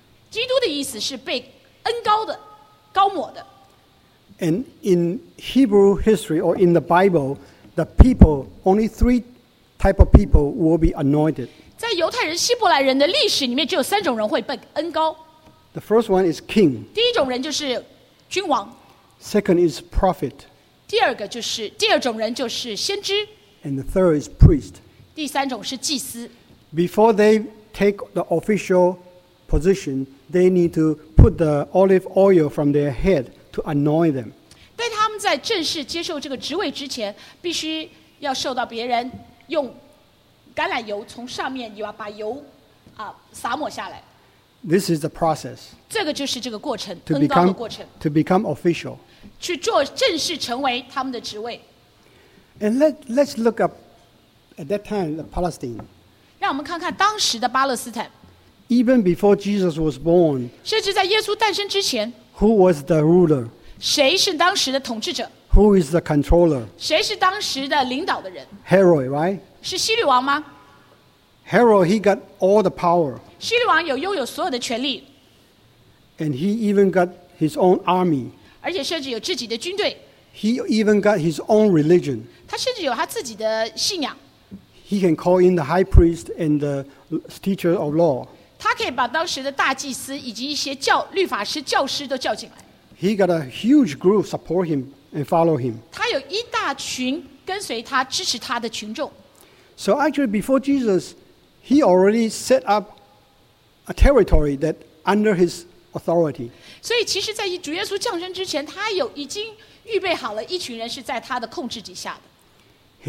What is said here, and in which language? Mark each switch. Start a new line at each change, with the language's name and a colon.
Chinese: 基督的意思是被恩膏的、膏抹的。
English: And in Hebrew history or in the Bible, the people only three t type of people will be anointed.
Chinese: 在犹太人希伯来人的历史里面，只有三种人会被恩膏。
English: The first one is king.
Chinese: 第一种人就是君王。
English: Second is prophet.
Chinese: 第二种人就是先知。
English: And the third is priest.
Chinese: 第三种是祭司。
English: Before they take the official position, they need to put the olive oil from their head to anoint them.
Chinese: 但他们在正式接受这个职位之前，必须要受到别人用橄榄油从上面把油洒抹下来。
English: This is the process.
Chinese: 这个就是这个过程，恩膏的过程。
English: To become official.
Chinese: 去做正式成为他们的职位。
English: And let's look up at that time the Palestine.
Chinese: 让我们看看当时的巴勒斯坦。
English: Even before Jesus was born.
Chinese: 甚至在耶稣诞生之前。
English: Who was the ruler?
Chinese: 谁是当时的统治者？
English: Who is the controller?
Chinese: 谁是当时的领导的人？
English: Herod, right?
Chinese: 是希律王吗？
English: Herod, he got all the power.
Chinese: 希律王有拥有所有的权力。
English: And he even got his own army.
Chinese: 而且甚至有自己的军队。
English: He even got his own religion.
Chinese: 他甚至有他自己的信仰。
English: He can call in the high priest and the teacher of law.
Chinese: 他可以把当时的大祭司以及一些律法师、教师都叫进来。
English: He got a huge group support him and follow him.
Chinese: 他有一大群跟随他、支持他的群众。
English: So actually, before Jesus, he already set up. A territory that under his authority.
Chinese: 所以其实在主耶稣降生之前，他有已经预备好了一群人是在他的控制底下的。